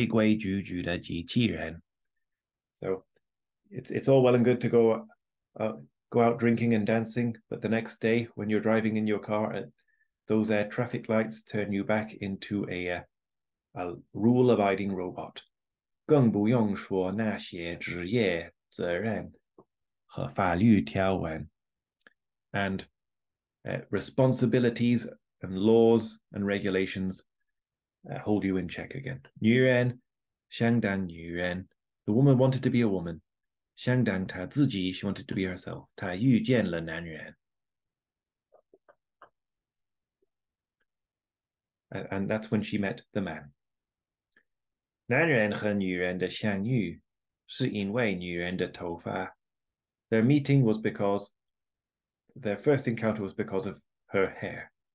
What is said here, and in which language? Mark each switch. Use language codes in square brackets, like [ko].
[zh] 那些红红绿绿的交通灯就会把你又扭成了一个规规矩矩的机器人. [en] So it's all well and good to go out drinking and dancing, but the next day when you're driving in your car, those traffic lights turn you back into a rule-abiding robot. [zh] 更不用说那些职业责任和法律条文. [en] And responsibilities and laws and regulations hold you in check again. [zh] 女人相当女人. [en] The woman wanted to be a woman. [zh] 相当她自己, [en] she wanted to be herself. [zh] 她遇见了男人. [en] And that's when she met the man. [zh] 男人和女人的相遇是因为女人的头发. [en] Their meeting was because, their first encounter was because of her hair.